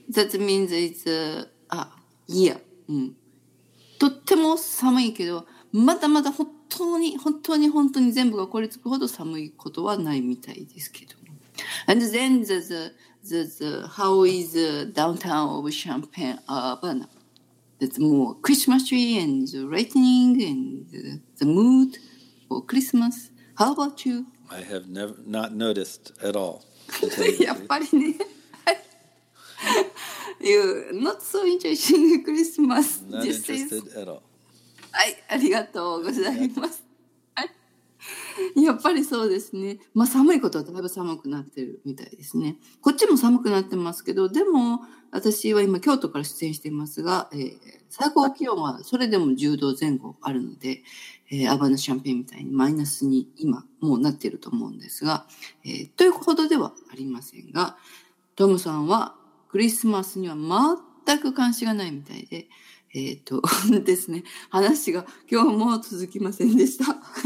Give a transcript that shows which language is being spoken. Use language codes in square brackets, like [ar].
[en] That means it's [ja] とっても寒いけど、まだまだ本当に本当に本当に全部が凍りつくほど寒いことはないみたいですけど。 [en] And then the how is the downtown of Champaign Urbana? That's more Christmas tree and the lightning and the mood for Christmas. How about you? I have never not noticed at all. [ja] やっぱりね。 [en] You're not so interested in Christmas. Not interested at all. [ja] はい、ありがとうございます。やっぱりそうですね。まあ寒いことはだいぶ寒くなってるみたいですね。こっちも寒くなってますけど、でも私は今京都から出演していますが、最高気温はそれでも10度前後あるので、アバナシャンペーンみたいにマイナスに今もうなっていると思うんですが、というほどではありませんが、トムさんはクリスマスには全く関心がないみたいで、ですね、話が今日も続きませんでした。